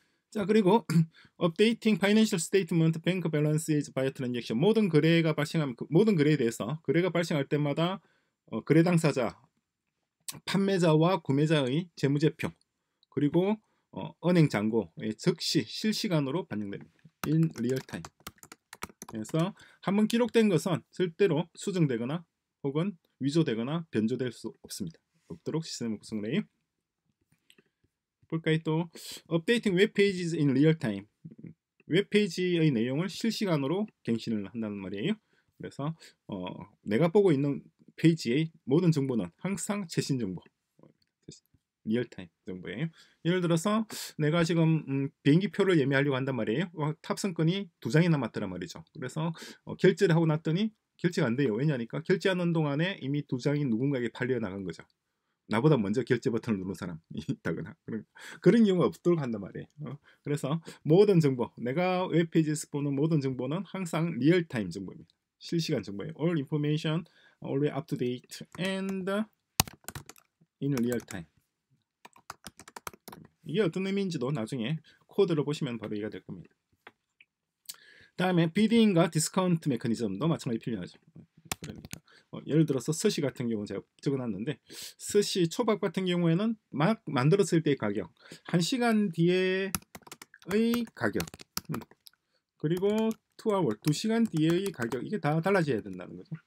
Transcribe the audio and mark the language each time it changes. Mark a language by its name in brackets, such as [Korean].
[Korean] 자, 그리고 [English] 업데이팅 파이낸셜 스테이트먼트 뱅크 밸런스 이즈 바이어 트랜잭션 [Korean] 모든 거래가 발생한 모든 거래에 대해서 거래가 발생할 때마다 거래 당사자 판매자와 구매자의 재무제표 그리고 은행 잔고에 즉시 실시간으로 반영됩니다. [English] In real time. [Korean] 그래서 한번 기록된 것은 절대로 수정되거나 혹은 위조되거나 변조될 수 없습니다. 없도록 시스템을 구성을 해요. 볼까요? [English] 또 Updating webpages in real time. [Korean] 웹페이지의 내용을 실시간으로 갱신을 한다는 말이에요. 그래서 내가 보고 있는 페이지의 모든 정보는 항상 최신 정보. 리얼타임 정보예요. 예를 들어서 내가 지금 비행기표를 예매하려고 한단 말이에요. 탑승권이 두 장이 남았더란 말이죠. 그래서 결제를 하고 났더니 결제가 안 돼요. 왜냐니까 결제하는 동안에 이미 두 장이 누군가에게 팔려나간 거죠. 나보다 먼저 결제 버튼을 누른 사람이 있다거나 그런 경우가 없도록 한단 말이에요. 그래서 모든 정보, 내가 웹페이지에서 보는 모든 정보는 항상 리얼타임 정보입니다. 실시간 정보예요. [English] All information always up to date and in real time. [Korean] 이게 어떤 의미인지도 나중에 코드로 보시면 바로 이해가 될 겁니다. 다음에 비딩과 디스카운트 메커니즘도 마찬가지 필요하죠. 그러니까 예를 들어서 스시 같은 경우는 제가 적어놨는데 스시 초밥 같은 경우에는 막 만들었을 때의 가격, 1시간 뒤에의 가격, 그리고 2hour, 2시간 뒤에의 가격, 이게 다 달라져야 된다는 거죠.